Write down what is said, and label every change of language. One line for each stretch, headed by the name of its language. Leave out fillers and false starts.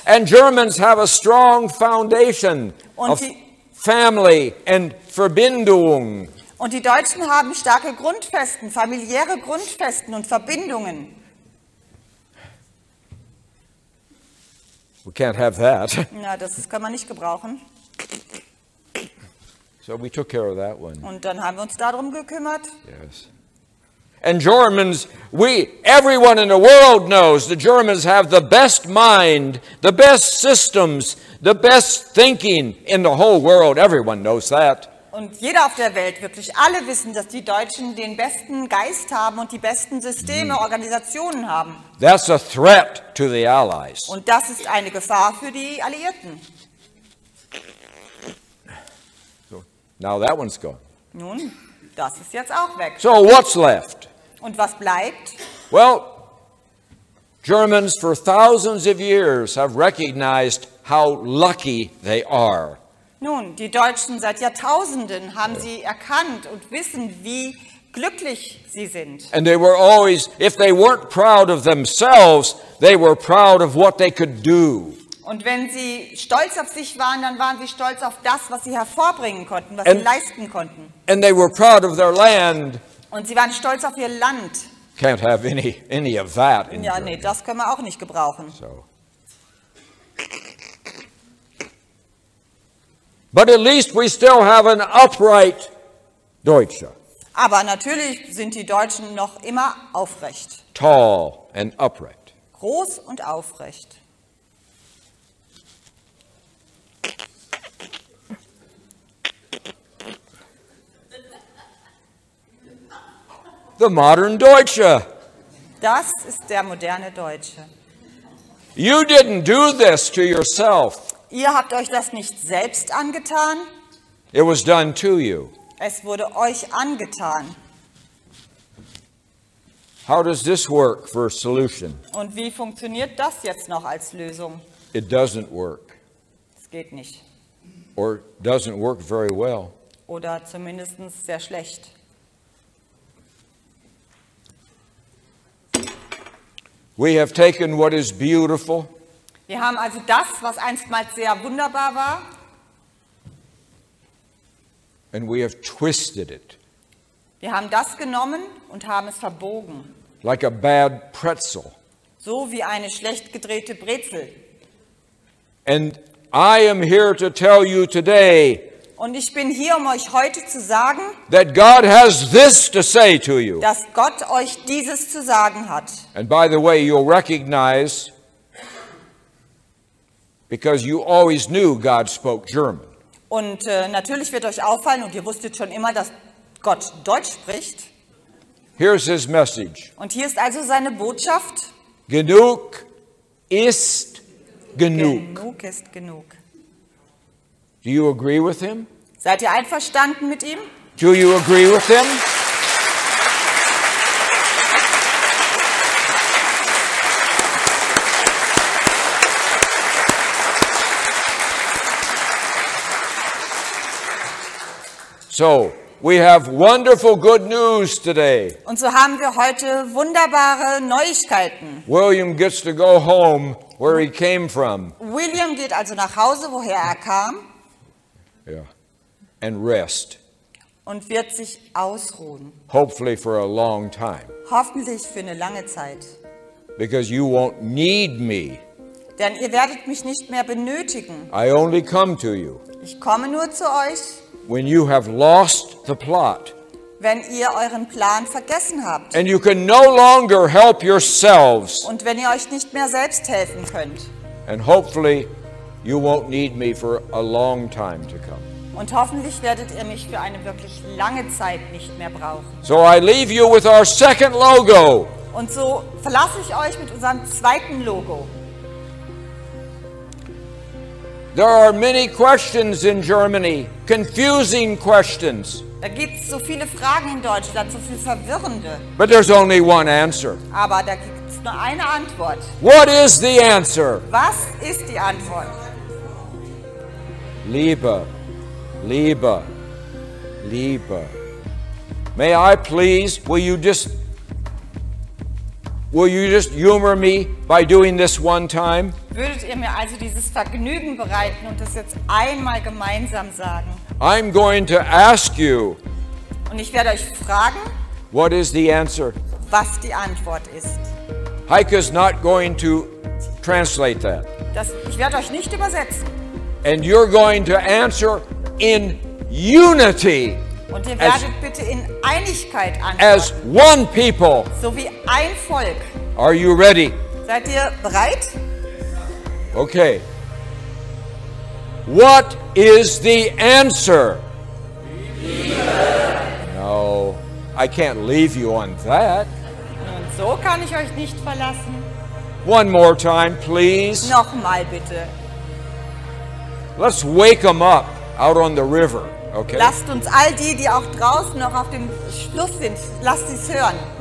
English: And Germans have a strong foundation of family and Verbindung.
German: Und die Deutschen haben starke Grundfesten, familiäre Grundfesten und Verbindungen.
English: We can't have that.
German: Na, das kann man nicht gebrauchen.
English: So we took care of that one.
German: Und dann haben wir uns darum gekümmert.
English: Yes. And Germans, everyone in the world knows the Germans have the best mind, the best systems, the best thinking in the whole world. Everyone knows that.
German: Und jeder auf der Welt, wirklich alle wissen, dass die Deutschen den besten Geist haben und die besten Systeme, Organisationen haben.
English: That's a threat to the Allies.
German: Und das ist eine Gefahr für die Alliierten.
English: So, now that one's gone.
German: Nun, das ist jetzt auch weg.
English: So what's left?
German: Und was bleibt?
English: Well, Germans for thousands of years have recognized how lucky they are.
German: Nun, die Deutschen seit Jahrtausenden haben sie erkannt und wissen, wie glücklich sie sind.
English: And they were always, if they weren't proud of themselves, they were proud of what they could do.
German: Und wenn sie stolz auf sich waren, dann waren sie stolz auf das, was sie hervorbringen konnten, was sie leisten konnten.
English: And they were proud of their land.
German: Und sie waren stolz auf ihr Land.
English: Can't have any of that in Germany.
German: Ja, nee, das können wir auch nicht gebrauchen.
English: So. But at least we still have an upright Deutscher.
German: Aber natürlich sind die Deutschen noch immer aufrecht.
English: Tall and upright.
German: Groß und aufrecht.
English: The modern Deutscher.
German: Das ist der moderne Deutsche.
English: You didn't do this to yourself.
German: Ihr habt euch das nicht selbst angetan.
English: It was done to you.
German: Es wurde euch angetan.
English: How does this work for a solution?
German: Und wie funktioniert das jetzt noch als Lösung?
English: It doesn't work.
German: Es geht nicht.
English: Or doesn't work very well.
German: Oder zumindest sehr schlecht.
English: We have taken what is beautiful.
German: Wir haben also das, was einstmals sehr wunderbar war.
English: And we have twisted it.
German: Wir haben das genommen und haben es verbogen.
English: Like a bad pretzel.
German: So wie eine schlecht gedrehte Brezel.
English: And I am here to tell you today.
German: Und ich bin hier, um euch heute zu sagen,
English: that God has this to say to you.
German: Dass Gott euch dieses zu sagen hat.
English: And by the way, you'll recognize, because you always knew God spoke German.
German: Und natürlich wird euch auffallen, und ihr wusstet schon immer, dass Gott Deutsch spricht.
English: Here's his message.
German: Und hier ist also seine Botschaft. Genug ist genug. Genug ist genug.
English: Do you agree with him?
German: Seid ihr einverstanden mit ihm?
English: Do you agree with him? So, We have wonderful good news today.
German: Und so haben wir heute wunderbare Neuigkeiten.
English: William gets to go home where he came from.
German: William geht also nach Hause, woher er kam.
English: Yeah. And rest.
German: Und wird sich ausruhen.
English: Hopefully for a long time.
German: Hoffentlich für eine lange Zeit.
English: Because you won't need me.
German: Denn ihr werdet mich nicht mehr benötigen.
English: I only come to you.
German: Ich komme nur zu euch.
English: When you have lost the plot,
German: wenn ihr euren Plan vergessen habt,
English: and you can no longer help yourselves,
German: und wenn ihr euch nicht mehr selbst helfen könnt,
English: and hopefully you won't need me for a long time to come.
German: Und hoffentlich werdet ihr mich für eine wirklich lange Zeit nicht mehr brauchen.
English: So I leave you with our second logo.
German: Und so verlasse ich euch mit unserem zweiten Logo.
English: There are many questions in Germany, confusing questions.
German: Da gibt's so viele Fragen in Deutschland, so viel verwirrende.
English: But there's only one answer.
German: Aber da gibt's nur eine Antwort.
English: What is the answer?
German: Was ist die Antwort? Liebe, Liebe, Liebe.
English: May I please, will you just humor me by doing this one time?
German: Würdet ihr mir also dieses Vergnügen bereiten und das jetzt einmal gemeinsam sagen?
English: I'm going to ask you.
German: Und ich werde euch fragen.
English: What is the answer?
German: Was die Antwort ist.
English: Heike's not going to translate that.
German: Das, ich werde euch nicht übersetzen.
English: And you're going to answer in unity.
German: Und ihr werdet bitte in Einigkeit antworten.
English: As one people.
German: So wie ein Volk.
English: Are you ready?
German: Seid ihr bereit?
English: Okay. What is the answer?
German: Liebe.
English: No, I can't leave you on that.
German: Nun, so kann ich euch nicht verlassen.
English: One more time, please.
German: Nochmal bitte.
English: Let's wake them up out on the river. Okay.
German: Lasst uns all die, die auch draußen noch auf dem Fluss sind, lasst sie's hören.